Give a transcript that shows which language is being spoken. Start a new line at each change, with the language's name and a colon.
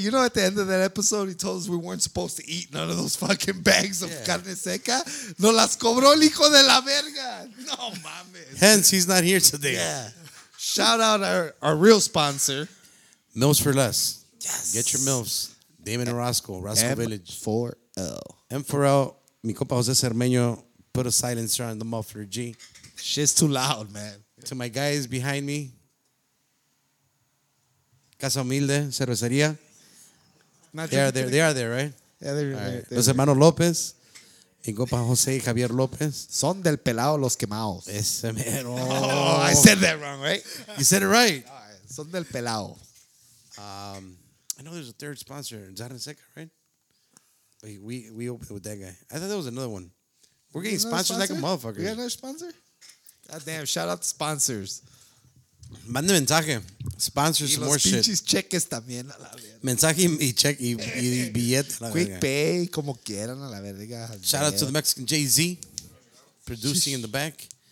English: Hey, you know at the end of that episode, he told us we weren't supposed to eat none of those fucking bags of carne seca.
Spanish: No las cobró el hijo de la verga. No mames.
English: Hence, he's not here today. Yeah. Shout out our real sponsor, Mills for Less. Yes. Get your Mills. Damon and Roscoe, Roscoe M4L. Village. M4L. M4L.
Spanish: Mi compa
English: José Cermeño put a silencer on the muffler. G. Shit's too loud, man. To my guys behind me, Casa Humilde, Cervecería. They are there, right? Yeah, they're right. There.
Spanish: Los hermanos López, y compa José y Javier López. Son del pelado los quemados. Ese mero.
English: Oh, I said that wrong, right? You said it right.
Spanish: Son del pelado.
English: I know there's a third sponsor, Zarne Seca, right? We opened with that guy. I thought that was another one. We're getting sponsors like a motherfucker. You got another sponsor? God damn, shout out to sponsors.
Spanish: Mande mensaje.
English: Sponsor some more shit.
Spanish: Y los pinches cheques también a la verga. Mensaje y cheque y billete a la verga.
English: Quick pay,
Spanish: como quieran a la verga.
English: Shout out to the Mexican Jay-Z, producing in the back.